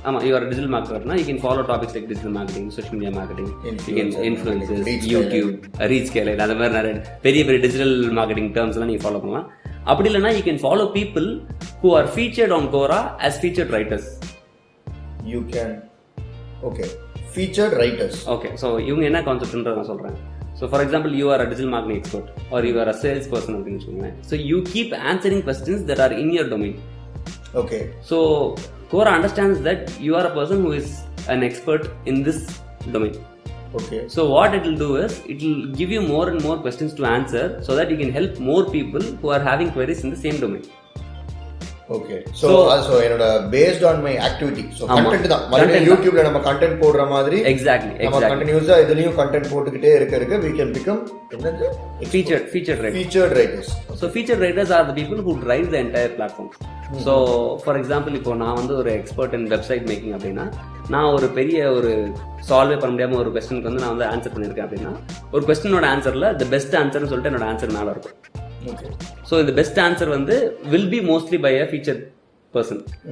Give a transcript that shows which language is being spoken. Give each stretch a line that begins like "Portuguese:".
English: ஆமாம் you are digital மார்க்கெட்னா you can follow topics like digital marketing, social media marketing, you can influence, YouTube reach caller,
Tamil: அந்த மாதிரி நிறைய பெரிய பெரிய டிஜிட்டல் மார்க்கெட்டிங் டேர்ம்ஸ்லாம் நீங்கள் ஃபாலோ பண்ணலாம்.
English: அப்படி இல்லைனா you can follow people who are featured on Quora as featured writers. You can okay featured writers.
Tamil: Okay so இவங்க என்ன கான்செப்ட்ன்றத நான் சொல்கிறேன்.
English: So for example, you are a digital marketing expert or you are a sales person
Tamil: அப்படினு சொல்றேன்.
English: So you keep answering questions that are in your domain. Okay. So Quora understands that you are a person who is an expert in this domain. Okay. So what it will do is it will give you more and more questions to answer so that you can help more people who are having queries in the same domain. Okay. So also
Tamil: என்னோட
English: based on my activity. So content தான்.
Tamil: மற்ற YouTubeல நம்ம content போடுற மாதிரி
English: exactly.
Tamil: நம்ம continuous-ஆ இதுலயும் content போட்டுக்கிட்டே இருக்க
English: we can become featured writers. So featured writers are the people who drive the entire platform.
Tamil: So
English: for example
Tamil: இப்போ நான் வந்து ஒரு எக்ஸ்பர்ட் இன் வெப்சைட் மேக்கிங் அப்படின்னா நான் ஒரு பெரிய ஒரு சால்வே பண்ண முடியாமல் ஒரு கொஸ்டனுக்கு வந்து நான் வந்து ஆன்சர் பண்ணியிருக்கேன் அப்படின்னா ஒரு கொஸ்டினோட ஆன்சரில் த பெஸ்ட் ஆன்சர்னு சொல்லிட்டு என்னோட ஆன்சர் மேலே இருக்கும்.
English: So இந்த best answer வந்து will be mostly by a feature person.